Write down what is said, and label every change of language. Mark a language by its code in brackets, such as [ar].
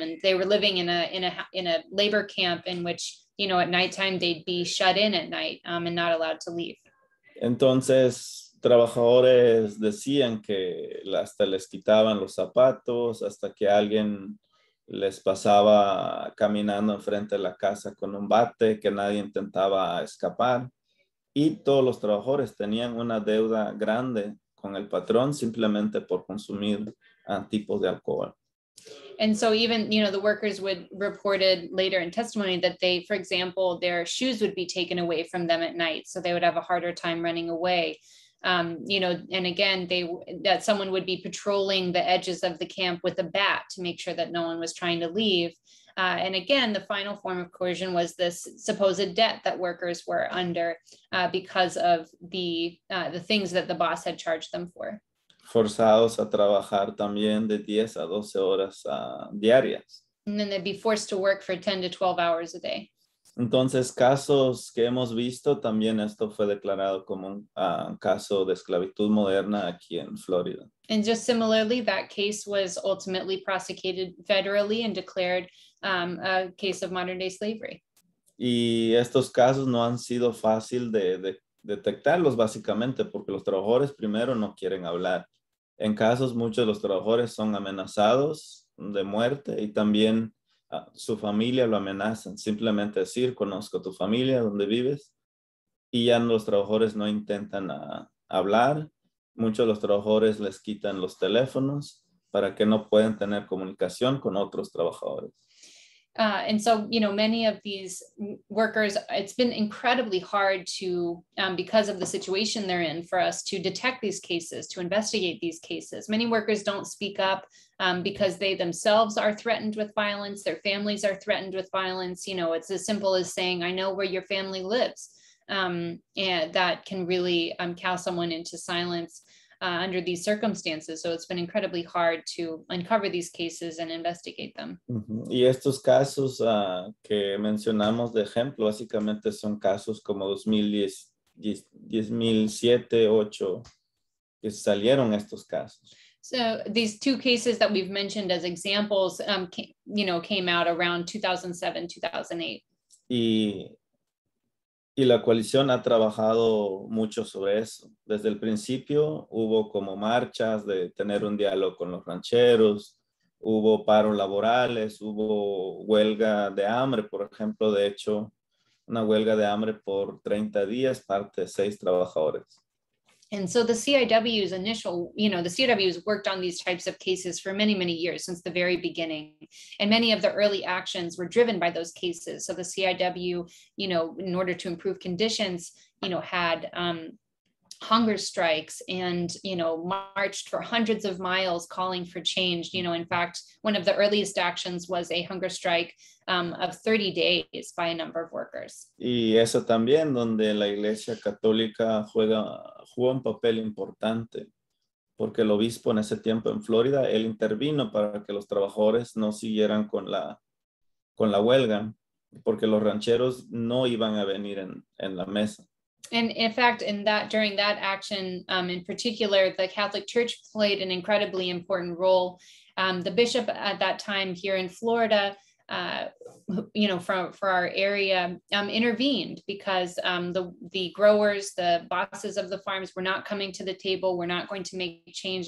[en] And they were living in a labor camp in which, you know, at nighttime they'd be shut in at night and not allowed to leave. [es] Entonces, trabajadores decían que hasta les quitaban los zapatos, hasta que alguien les pasaba caminando enfrente de la casa con un bate, que nadie intentaba escapar. Y todos los trabajadores tenían una deuda grande con el patrón simplemente por consumir tipos de alcohol. [en] And so even, you know, the workers would reported later in testimony that they, for example, their shoes would be taken away from them at night, so they would have a harder time running away. You know, and again, that someone would be patrolling the edges of the camp with a bat to make sure that no one was trying to leave. And again, the final form of coercion was this supposed debt that workers were under because of the things that the boss had charged them for. [es] Forzados a trabajar también de 10 a 12 horas diarias. [en] And then they'd be forced to work for 10 to 12 hours a day. [es] Entonces, casos que hemos visto, también esto fue declarado como un caso de esclavitud moderna aquí en Florida. [en] And just similarly, that case was ultimately prosecuted federally and declared a case of modern day slavery. [es] Y estos casos no han sido fácil de detectarlos, básicamente, porque los trabajadores primero no quieren hablar. En casos, muchos de los trabajadores son amenazados de muerte y también su familia lo amenazan. Simplemente decir, conozco tu familia, donde vives, y ya los trabajadores no intentan hablar. Muchos de los trabajadores les quitan los teléfonos para que no puedan tener comunicación con otros trabajadores. [en] And so, you know, many of these workers, it's been incredibly hard to, because of the situation they're in, for us to detect these cases, to investigate these cases. Many workers don't speak up because they themselves are threatened with violence, their families are threatened with violence. You know, it's as simple as saying, I know where your family lives. And that can really cow someone into silence under these circumstances. So it's been incredibly hard to uncover these cases and investigate them. Mm-hmm. [es] Y estos casos que mencionamos de ejemplo, básicamente son casos como 2010, 2007, 2008, que salieron estos casos. [en] So these two cases that we've mentioned as examples, came out around 2007, 2008. [es] Y la coalición ha trabajado mucho sobre eso. Desde el principio hubo como marchas de tener un diálogo con los rancheros, hubo paros laborales, hubo huelga de hambre, por ejemplo, de hecho, una huelga de hambre por 30 días, parte de 6 trabajadores. [en] And so the CIW's initial, you know, the CIW's worked on these types of cases for many, many years since the very beginning. And many of the early actions were driven by those cases. So the CIW, you know, in order to improve conditions, you know, had hunger strikes and, you know, marched for hundreds of miles calling for change. You know, in fact, one of the earliest actions was a hunger strike of 30 days by a number of workers. [es] Y eso también donde la Iglesia Católica jugó un papel importante, porque el obispo en ese tiempo en Florida, él intervino para que los trabajadores no siguieran con la huelga, porque los rancheros no iban a venir en la mesa. [en] And in fact, during that action, in particular, the Catholic Church played an incredibly important role. The bishop at that time here in Florida, for our area, intervened because the growers, the bosses of the farms were not coming to the table, were not going to make change.